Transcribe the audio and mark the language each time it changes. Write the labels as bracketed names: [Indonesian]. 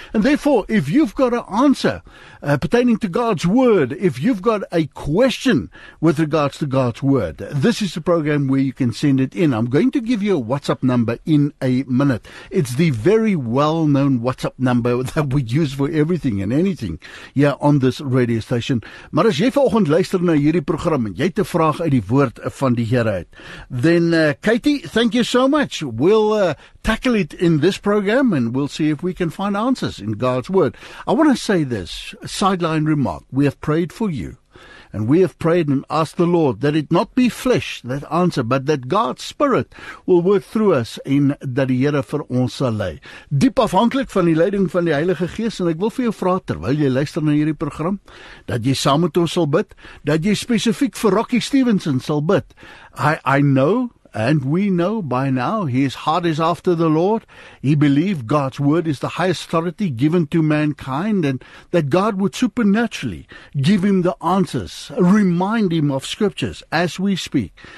[English] And therefore, if you've got an answer pertaining to God's word, if you've got a question with regards to God's word, this is the program where you can send it in. I'm going to give you a WhatsApp number in a minute. It's the very well-known WhatsApp number that we use for everything and anything here on this radio station. [Afrikaans] Maar as jy vanoggend luister na hierdie program en jy het 'n vraag uit die woord van die Here uit, [English] then Katie, thank you so much. We'll tackle it in this program and we'll see if we can find answers in God's word. I want to say this sideline remark. We have prayed for you and we have prayed and asked the Lord that it not be flesh that answer, but that God's spirit will work through us in [Afrikaans] dat die Here vir ons sal lei. Diep afhanklik van die leiding van die Heilige Gees. En ek wil vir jou vra, terwyl jy luister na hierdie program, dat jy saam met ons sal bid, dat jy spesifiek vir Rocky Stevenson sal bid. [English] I know, and we know by now, his heart is after the Lord. He believed God's word is the highest authority given to mankind, and that God would supernaturally give him the answers, remind him of scriptures as we speak.